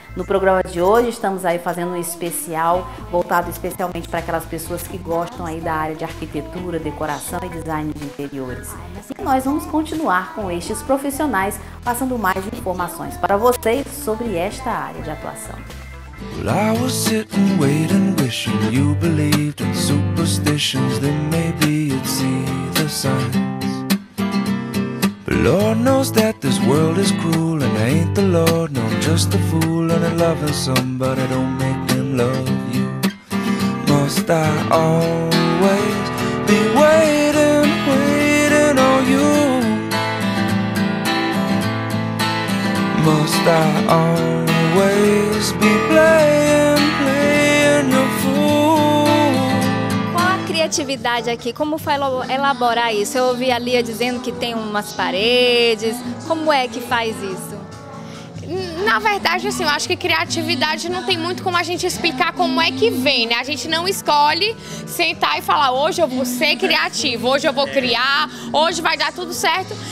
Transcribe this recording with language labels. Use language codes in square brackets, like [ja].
[pt] No programa de hoje estamos aí fazendo um especial voltado especialmente para aquelas pessoas que gostam aí da área de arquitetura, decoração e design de interiores. E nós vamos continuar com estes profissionais passando mais informações para vocês sobre esta área de atuação. [en] Well, I was sitting waiting wishing you believed in superstitions, then maybe you'd see the signs. But Lord knows that this world is cruel and I ain't the Lord, no I'm just a fool and I'm loving somebody, don't make them love you. Must I always be waiting, waiting on you? Must I always be playing, playing your fool? [pt] Qual a criatividade aqui? Como foi elaborar isso? Eu ouvi a Lia dizendo que tem umas paredes. Como é que faz isso? Na verdade, assim, eu acho que criatividade não tem muito como a gente explicar como é que vem, né? A gente não escolhe sentar e falar, hoje eu vou ser criativo, hoje eu vou criar, hoje vai dar tudo certo.